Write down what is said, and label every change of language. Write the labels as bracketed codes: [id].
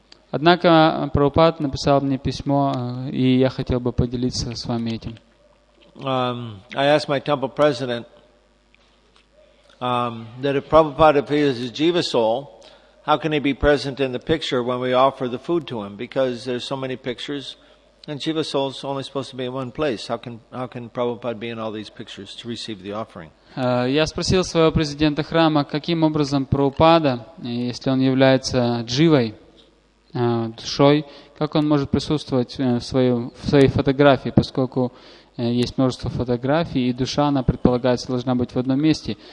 [ru] Однако Прабхупад написал мне письмо, и я хотел бы поделиться с вами этим. Я спросил моего темпл президента, [en] that if Prabhupada, if he is a jiva soul, how can he be present in the picture when we offer the food to him? Because there's so many pictures, and jiva soul is only supposed to be in one place. How can Prabhupada be in all these pictures to receive the offering? [ru] Я спросил своего президента храма, каким образом Прабхупада, если он является дживой, душой, как он может присутствовать в своей фотографии, поскольку есть множество фотографий, и душа, она предполагается, должна быть в одном месте.